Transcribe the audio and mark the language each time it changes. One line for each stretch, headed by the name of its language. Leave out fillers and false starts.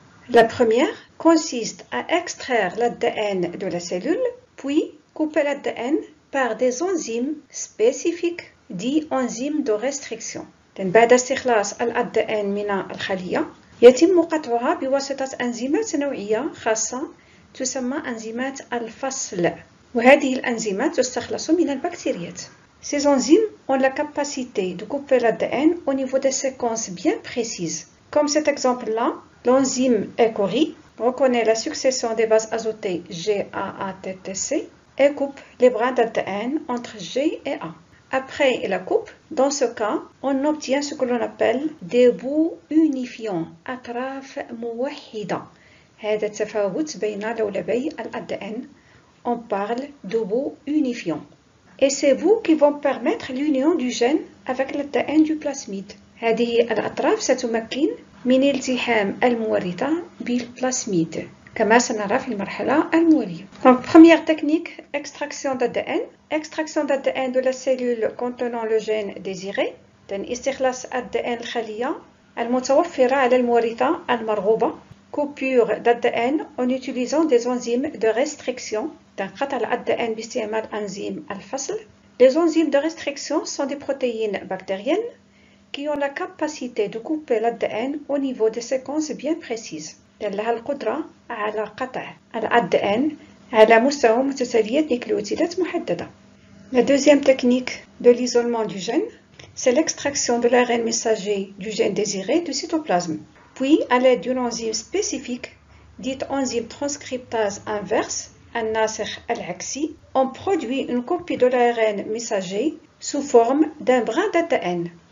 French: La première consiste à extraire l'ADN de la cellule, puis couper l'ADN par des enzymes spécifiques, dites enzymes de restriction.
Arabic: بعد استخلاص الADN من الخلية يتم قطعها بواسطة أنزيمات نوعية خاصة تسمى أنزيمات الفصل وهذه الأنزيمات تستخلص من البكتيريات.
French: Ces enzymes ont la capacité de couper l'ADN au niveau des séquences bien précises. Comme cet exemple-là, l'enzyme ECORI reconnaît la succession des bases azotées GAATTC et coupe les brins d'ADN entre G et A. Après la coupe, dans ce cas, on obtient ce que l'on appelle des bouts unifiants,
Arabic: أطراف موحدة. هذا التفاوت بين لولبي الADN.
French: On parle de bouts unifiants. Et ces bouts qui vont permettre l'union du gène avec l'ADN du plasmide.
Arabic: هذه الأطراف ستمكن من التحام المورطة بالبلاسميد. كما سنرى في المرحلة المولية.
French: Donc, première technique, extraction d'ADN. Extraction d'ADN de la cellule contenant le gène désiré.
Arabic: استخلاص ADN الخلية المتوفرة على المورطة المرغوبة.
French: Coupure d'ADN en utilisant des enzymes de restriction.
Arabic: قطع الADN باستعمال enzyme الفصل.
French: Les enzymes de restriction sont des protéines bactériennes qui ont la capacité de couper l'ADN au niveau des séquences bien précises.
Arabic: لها القدرة على قطع الADN على مستوى متتاليات نيكلوتيدات محددة.
French: La deuxième technique de l'isolement du gène, c'est l'extraction de l'ARN messager du gène désiré du cytoplasme. Puis, à l'aide d'une enzyme spécifique, dite enzyme transcriptase inverse,
Arabic: الناسخ العكسي,
French: on produit une copie de l'ARN messager sous forme d'un brin d'ADN.